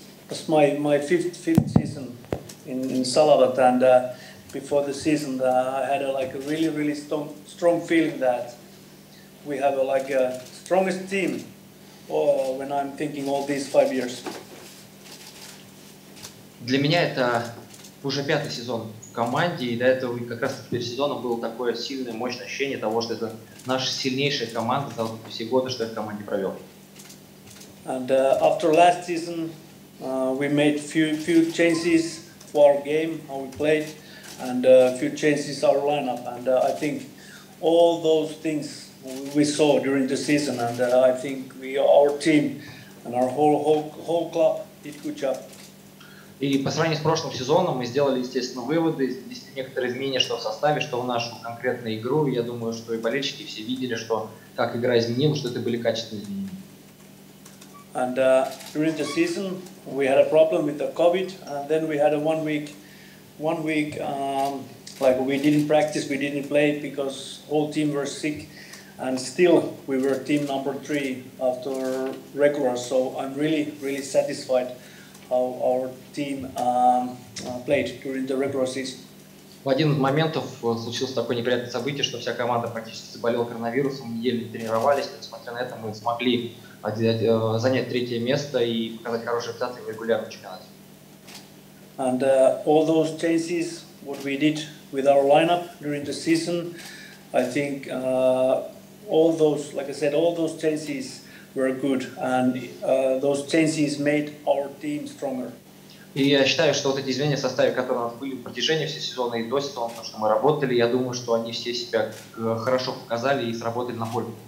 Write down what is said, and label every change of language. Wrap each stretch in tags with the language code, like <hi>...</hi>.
<en>It's my fifth season in Salavat, and before the season I had a really really strong feeling that we have a strongest team when I'm thinking all these 5 years.</en> <ru>Для меня это уже пятый сезон в команде, и до этого как раз перед сезоном было такое сильное мощное ощущение того, что это наша сильнейшая команда за все годы, что я в команде провел.</ru> <en>And after last season we made few changes for our game, how we played, and a few changes our lineup, and I think all those things we saw during the season, and I think our team and our whole club did good job.</en> <ru>И по сравнению с прошлым сезоном мы сделали, естественно, выводы, некоторые изменения, что в составе, что в нашу конкретную игру. Я думаю, что и болельщики все видели, что как игра изменилась, что это были качественные изменения.</ru> <en>And during the season we had a problem with the COVID, and then we had a one week we didn't practice, we didn't play because whole team were sick, and still we were team number 3 after regular. So I'm really really satisfied how our team played during the regular season.</en> <ru>В один из моментов случилось такое неприятное событие, что вся команда практически заболела коронавирусом, еле тренировались, несмотря на это мы смогли занять третье место и показать хорошие результаты в регулярном чемпионате.</ru> <en>And all those changes, what we did with our lineup during the season, I think all those, like I said, all those changes were good, and those changes made our team stronger.</en> <ru>И я считаю, что вот эти изменения в составе, которые у нас были в протяжении всего сезона и до сезона, потому что мы работали, я думаю, что они все себя хорошо показали и сработали на поле.</ru>